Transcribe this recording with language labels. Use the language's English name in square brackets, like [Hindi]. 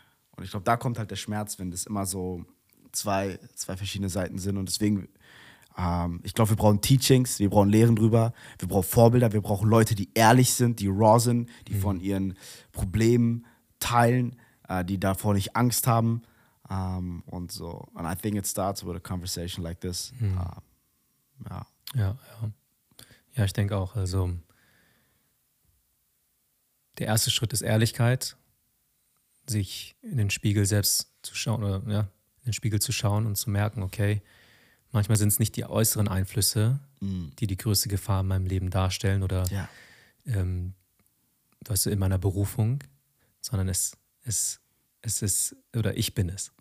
[German] Und ich glaube, da kommt halt der Schmerz, wenn das immer so zwei verschiedene Seiten sind. Und deswegen, ich glaube, wir brauchen Teachings, wir brauchen Lehren drüber, wir brauchen Vorbilder, wir brauchen Leute, die ehrlich sind, die raw sind, die von ihren Problemen teilen, die davor nicht Angst haben. Und so. [English] And I think it starts with a conversation like this. [German] Mhm. Ja, ich denke auch, also der erste Schritt ist Ehrlichkeit, sich in den Spiegel selbst zu schauen oder ja, in den Spiegel zu schauen und zu merken, okay, manchmal sind es nicht die äußeren Einflüsse, die größte Gefahr in meinem Leben darstellen oder weißt du, in meiner Berufung, sondern es ist, oder ich bin es.